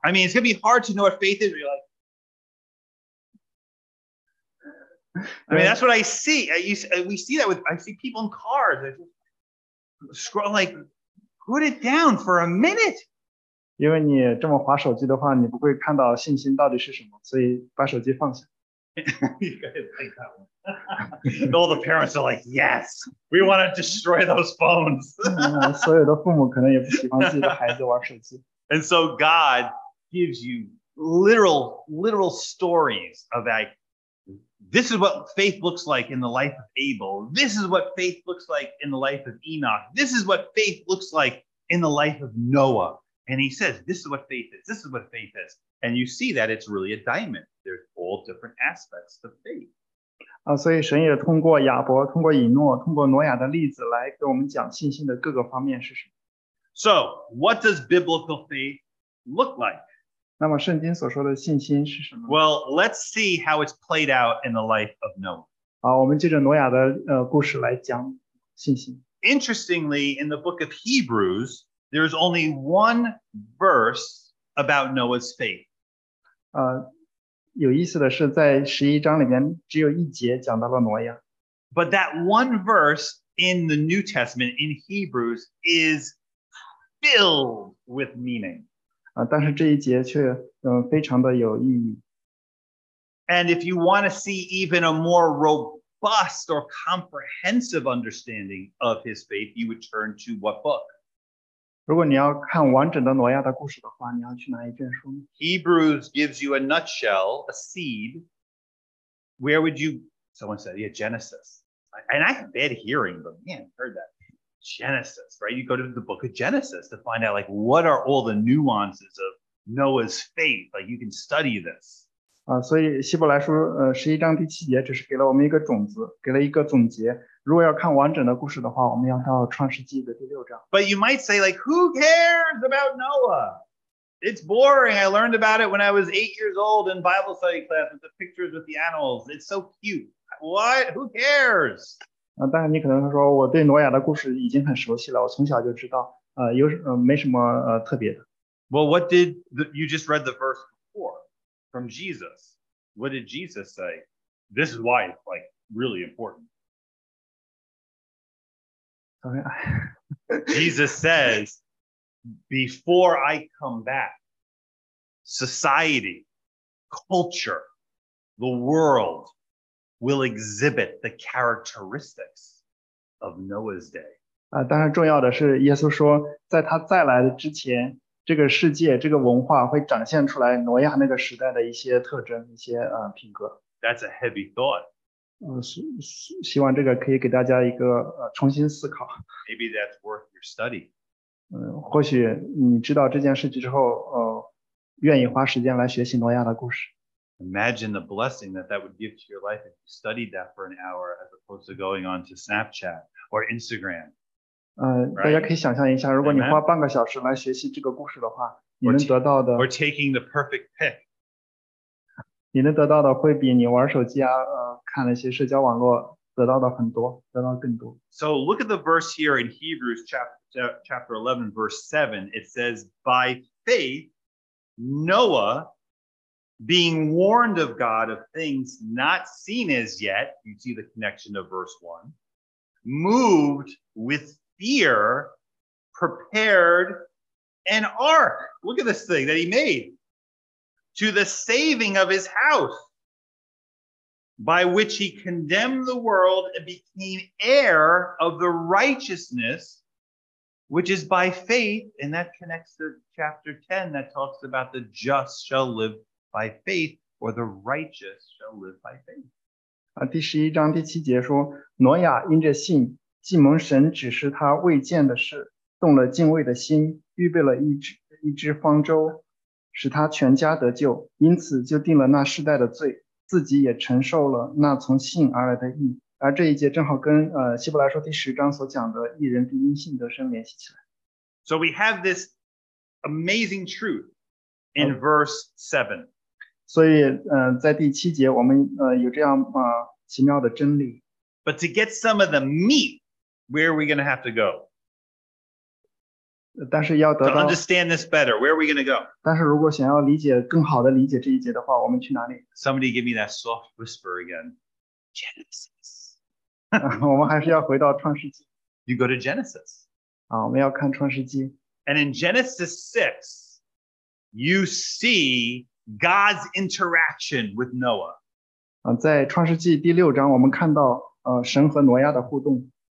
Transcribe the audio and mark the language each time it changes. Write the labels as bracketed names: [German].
[English] I mean, it's going to be hard to know what faith is, really. I mean, that's what I see. I see people in cars. scroll, like put it down for a minute. [Chinese] 因为你这么滑手机的话，你不会看到信心到底是什么，所以把手机放下。 [English] All the parents are like, yes, we want to destroy those phones. [Chinese] 所有的父母可能也不喜欢自己的孩子玩手机。 [English] And so God gives you literal stories about this is what faith looks like in the life of Abel. This is what faith looks like in the life of Enoch. This is what faith looks like in the life of Noah. And he says, this is what faith is. This is what faith is. And you see that it's really a diamond. There's all different aspects of faith. [Chinese] 所以神也通过亚伯、通过以诺、通过挪亚的例子来给我们讲信心的各个方面是什么。 [English] So, what does biblical faith look like? [Chinese] 那么圣经所说的信心是什么 [English] ？Well, let's see how it's played out in the life of Noah. [Chinese] 我们接着挪亚的故事来讲信心。 [English] Interestingly, in the book of Hebrews, there is only one verse about Noah's faith. [Chinese] 有意思的是，在十一章里面只有一节讲到了挪亚。 [English] But that one verse in the New Testament in Hebrews is filled with meaning. [Chinese] 但是这一节却非常的有意义。 [English] And if you want to see even a more robust or comprehensive understanding of his faith, you would turn to what book? [Chinese] 如果你要看完整的挪亚的故事的话，你要去哪一卷书呢 [English] ？Hebrews gives you a nutshell, a seed. Where would you? Someone said, "Yeah, Genesis." And I have bad hearing, but man, heard that Genesis, right? You go to the book of Genesis to find out, like, what are all the nuances of Noah's faith? Like, you can study this. [Chinese] 所以希伯来书十一章第七节只是给了我们一个种子，给了一个总结。如果要看完整的故事的话，我们要到创世纪的第六章。 [English] But you might say, like, who cares about Noah? It's boring. I learned about it when I was 8 years old in Bible study class with the pictures with the animals. It's so cute. What? Who cares? [Chinese] 但是你可能说，我对挪亚的故事已经很熟悉了，我从小就知道，有没什么特别的。 [English] Well, what did you just read the verse before from Jesus? What did Jesus say? This is why it's like really important. Jesus says, before I come back, society, culture, the world will exhibit the characteristics of Noah's day. [Chinese] 当然重要的是耶稣说在他再来的之前这个世界这个文化会展现出来挪亚那个时代的一些特征一些品格。 [English] That's a heavy thought. [Chinese] 希望这个可以给大家一个重新思考。 [English] Maybe that's worth your study. [Chinese] 或许你知道这件事情之后，愿意花时间来学习挪亚的故事。 [English] Imagine the blessing that would give to your life if you studied that for an hour as opposed to going on to Snapchat or Instagram. [Chinese] 大家可以想象一下，如果你花半个小时来学习这个故事的话，你能得到的。 [English] Or taking the perfect pic. [Chinese] 你能得到的会比你玩手机啊，看了一些社交网络得到的很多，得到更多。 [English] So look at the verse here in Hebrews chapter 11, verse 7. It says, by faith, Noah, being warned of God of things not seen as yet, you see the connection of verse 1, moved with fear, prepared an ark. Look at this thing that he made. To the saving of his house, by which he condemned the world and became heir of the righteousness, which is by faith. And that connects to chapter 10 that talks about the just shall live by faith, or the righteous shall live by faith. [Chinese] 第十一章第七节说，挪亚因着信，既蒙神指示他未见的事，动了敬畏的心，预备了一只方舟。使他全家得救，因此就定了那世代的罪，自己也承受了那从信而来的义。而这一节正好跟希伯来书第十章所讲的义人必因信得生联系起来。 [English] So we have this amazing truth in verse 7. [Chinese] 所以在第七节我们有这样奇妙的真理。 [English] But to get some of the meat, where are we going to have to go? [Chinese] 但是要得到 [English] to understand this better, where are we going to go? [Chinese] 但是如果想要理解更好的理解这一节的话，我们去哪里？ [English] Somebody give me that soft whisper again. Genesis. [Chinese] 我们还是要回到创世纪。 [English] You go to Genesis. And in Genesis 6, you see God's interaction with Noah. [Chinese] 在创世纪第六章, 我们看到, 神和挪亚的互动。